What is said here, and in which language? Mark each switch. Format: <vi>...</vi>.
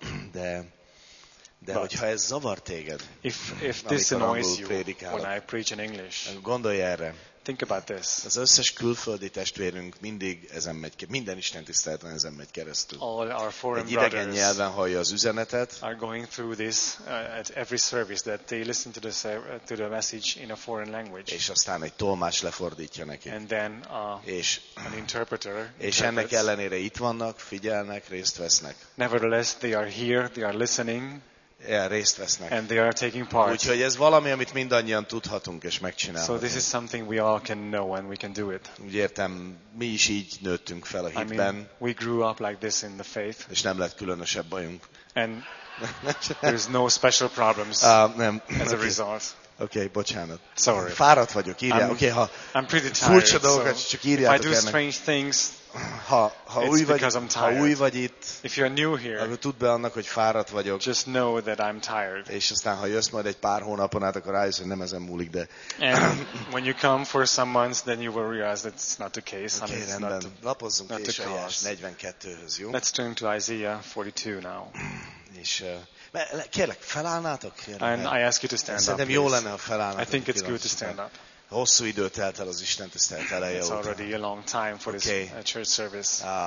<hu>De hogyha ez zavar téged,</hu> <en>if this annoys you when I preach in English,</en> <hu>gondolj erre.</hu> <en>Think about this.</en> <hu>Az összes külföldi testvérünk mindig ezen megy, minden Isten tiszteleten ezen megy keresztül.</hu> <en>All our foreign</en> <hu>egy idegen nyelven hallja az üzenetet.</hu> <en>Are going through this at every service that they listen to the message in a foreign language.</en> <hu>És aztán egy tolmás lefordítja neki.</hu> <en>And then an interpreter.</en> <hu>És ennek ellenére itt vannak, figyelnek, részt vesznek.</hu> <en>Nevertheless, they are here, they are listening.</en> <hu>Ja, részt vesznek.</hu> <en>And they are taking part.</en> <hu>Úgyhogy ez valami, amit mindannyian tudhatunk és megcsinálhatunk.</hu> <en>So this is something we all can know and we can do it.</en> <hu>Úgy értem, mi is így nőttünk fel a hitben.</hu> <en>I mean, we grew up like this in the faith.</en> <hu>És nem lett különösebb bajunk.</hu> <en>And there is no special problems as a result.</en> <hu>Okay, bocsánat.</hu> <en>Sorry.</en> <hu>Fáradt vagyok, írja. Okay, ha</hu> <en>I'm pretty tired.</en> <hu>Furcsa dolgokat, csak írjátok</hu> <en>ennek. If I do strange things,</en> <hu>ha új vagy,</hu> <en>because I'm</en> <hu>tired. Ha új vagy itt,</hu> <en>if you're new here,</en> <hu>akkor tudd be annak, hogy fáradt vagyok.</hu> <en>Just know that I'm tired.</en> <hu>És aztán, ha jössz majd egy pár hónapon át, akkor rájössz, hogy nem ezen múlik, de...</hu> <en>And when you come for some months, then you will realize that it's not the case.</en> <hu>Okay, rendben. Lapozzunk Ésaiás 42-höz, jó?</hu> <en>Let's turn to Isaiah 42 now.</en> <hu>És... kérlek, felállnátok?</hu> <en>And I ask you to stand up.</en> <hu>Szerintem jó lenne, ha felállnátok.</hu> <en>I think it's good to stand up.</en> <hu>Hosszú idő telt el az Isten tisztelet eleje</hu> <en>óta. It's already a long time for this church service.</en>